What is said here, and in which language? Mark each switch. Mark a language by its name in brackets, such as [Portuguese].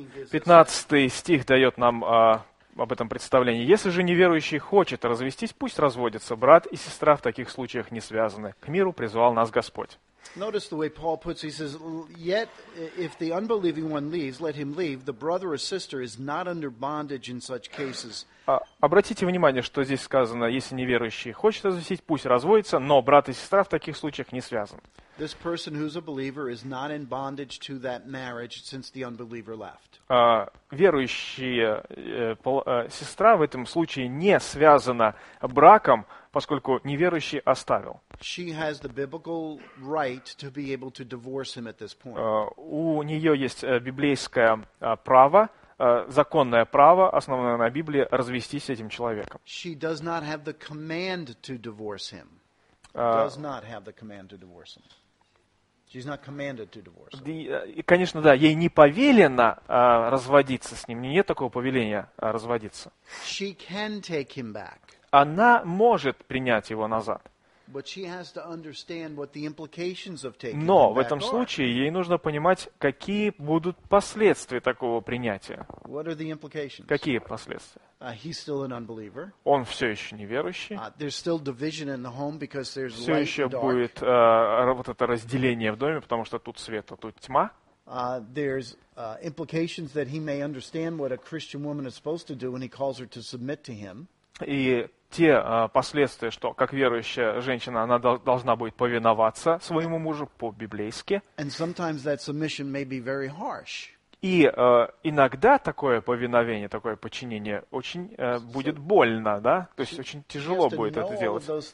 [Russian] 15 стих дает нам об этом представление. «Если же неверующий хочет развестись, пусть разводится. Брат и сестра в таких случаях не связаны. К миру призвал нас Господь». [English] Notice the way Paul puts it. He says, yet if the unbelieving one leaves, let him leave. The brother or sister is not under bondage in such cases. [Russian] Обратите внимание, что здесь сказано, если неверующий хочет развестись, пусть разводится, но брат и сестра в таких случаях не связаны. [English] This person who's a believer is not in bondage to that marriage since the unbeliever left. [Russian] Верующая сестра в этом случае не связана браком, поскольку неверующий оставил. [English] She has the biblical right to be able to divorce him at this point. [Russian] У нее есть библейское право, законное право, основанное на Библии, развестись с этим человеком. [English] She does not have the command to divorce him. Does not have the command to divorce him. She's not commanded to divorce him. [Russian] И, конечно, да, ей не повелено разводиться с ним. Нет такого повеления разводиться. [English] She can take him back. [Russian] Она может принять его назад. [English] But she has to understand what the implications of taking him back. [Russian] Но в этом случае ей нужно понимать, какие будут последствия такого принятия. [English] What are the implications? [Russian] Какие последствия? [English] He's still an unbeliever. [Russian] Он все еще неверующий. [English] There's still division in the home because there's light and dark. [Russian] Все еще будет вот это разделение в доме, потому что тут свет, а тут тьма. [English] There's implications that he may understand what a Christian woman is supposed to do when he calls her to submit to him. [Russian] И те последствия, что как верующая женщина, она должна будет повиноваться своему мужу по-библейски. [English] And sometimes that submission may be very harsh. [Russian] И иногда такое повиновение, такое подчинение очень будет больно, да? То есть очень тяжело будет это делать.